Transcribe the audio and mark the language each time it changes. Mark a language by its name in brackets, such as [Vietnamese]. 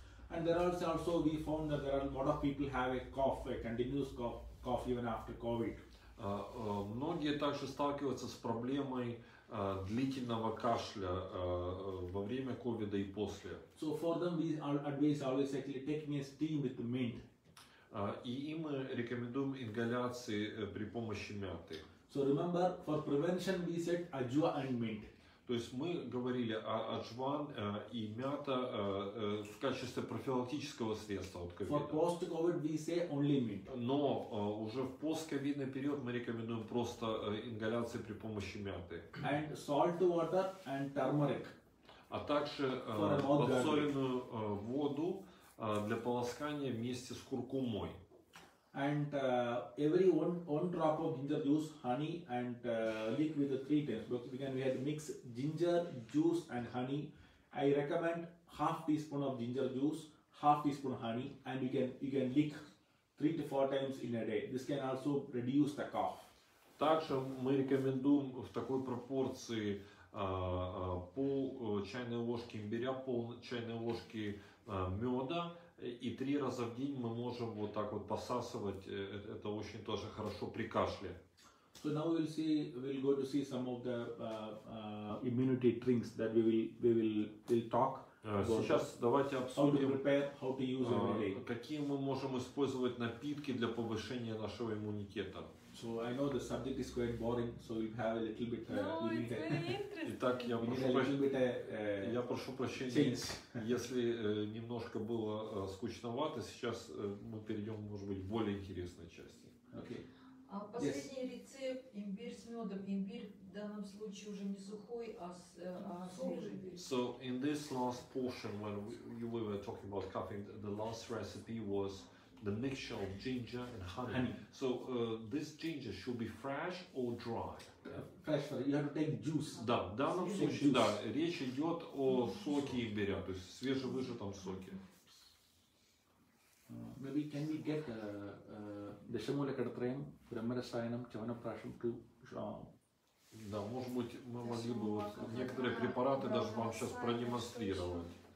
[English] And there are also we found that there are a lot of people have a cough, a continuous cough even after COVID. [Russian] Многие также сталкиваются с проблемой длительного кашля во время COVID и после. [English] So for them we advise always actually taking a steam with the mint. [Russian] И им рекомендуем ингаляции при помощи мяты. [English] So remember for prevention we said ajwa and mint. [Russian] То есть мы говорили о аджван и мята в качестве профилактического средства от ковида. [English] For post-COVID we say only mint. [Russian] Но уже в постковидный период мы рекомендуем просто ингаляции при помощи мяты. [English] And salt water and turmeric. [Russian] А также подсоленную воду для полоскания вместе с куркумой. [English] And every one drop of ginger juice, honey, and lick with the 3 times. Because we had mix ginger juice and honey. I recommend 1/2 teaspoon of ginger juice, 1/2 teaspoon honey, and you can lick 3 to 4 times in a day. This can also reduce the cough. [Russian] Также мы рекомендуем в такой пропорции пол чайной ложки имбиря, пол чайной ложки меда. И 3 раза в день мы можем вот так вот посасывать, это очень тоже хорошо при кашле. [English] So now we'll go to see some of the immunity drinks that we will talk. [Russian] Сейчас давайте обсудим, [English] how to prepare, how to use every day. [Russian] Какие мы можем использовать напитки для повышения нашего иммунитета. [English] So I know the subject is quite boring, so we'll have a little bit. [Russian] Итак, я прошу прощения. Я прошу прощения, если немножко было скучновато, сейчас мы перейдем, может быть, в более интересной части. Окей. А последний рецепт — имбирь с медом. Имбирь в данном случае уже не сухой, а свежий. [English] So in this last portion, when we were talking about cupping, the last recipe was the mixture of ginger and honey. So this ginger should be fresh or dry? Fresh, you have to take juice. [Russian] Да, в данном случае, да, речь идет о соке имбиря, то есть свежевыжатом соке. [English] Maybe can we get дешамулакатрайм, брамарасайнам, чаванапрашам, ту шаам? [Russian] Да, может быть, мы могли бы вот некоторые препараты даже вам сейчас продемонстрировать.